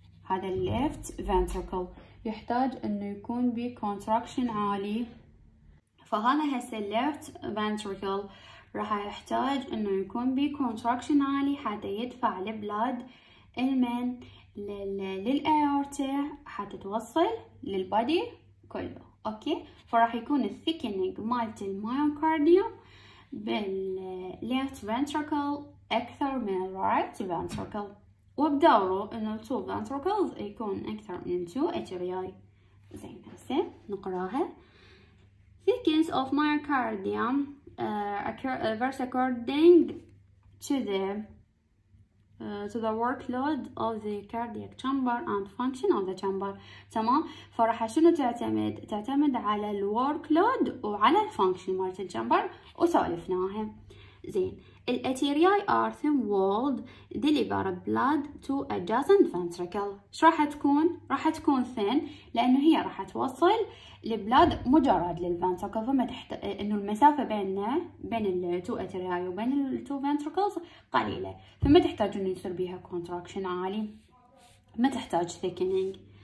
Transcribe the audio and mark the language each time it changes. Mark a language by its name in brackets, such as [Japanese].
[Arabic] هذا الليفت فنتركل يحتاج انه يكون بي كونتراكشن عالي، فهذا هسه الليفت فنتركل راح يحتاج انه يكون بي كونتراكشن عالي حتى يدفع البلاد المن للأيورتا حتى توصل للبادي كله. اوكي، فراح يكون الثيكنينج مالت المايوكارديوم بالليفت فنتركل اكثر من الرايت فنتركل، وبدوره ان التو فنتركلز يكون اكثر من التو اتيرياي. زين، هسه نقراها. [English] Thickens of myocardium occurs according to the workload of the cardiac chamber and function of the chamber. [Arabic] تمام، فراح شنو تعتمد؟ تعتمد على الوركلود وعلى الفانكشن مالت الجمبر، وسالفناها. [English] زين، الاتيرياي ار ثم would deliver blood to adjacent ventricle. [Arabic] شو راح تكون؟ راح تكون ثين، لانه هي راح توصل البلاد مجرد للفنتركل، فما تحت انه المسافه بين التو اتيرياي وبين التو فنتركلز قليله، فما تحتاج انه يصير بيها كونتراكشن عالي، ما تحتاج ثيكنينج.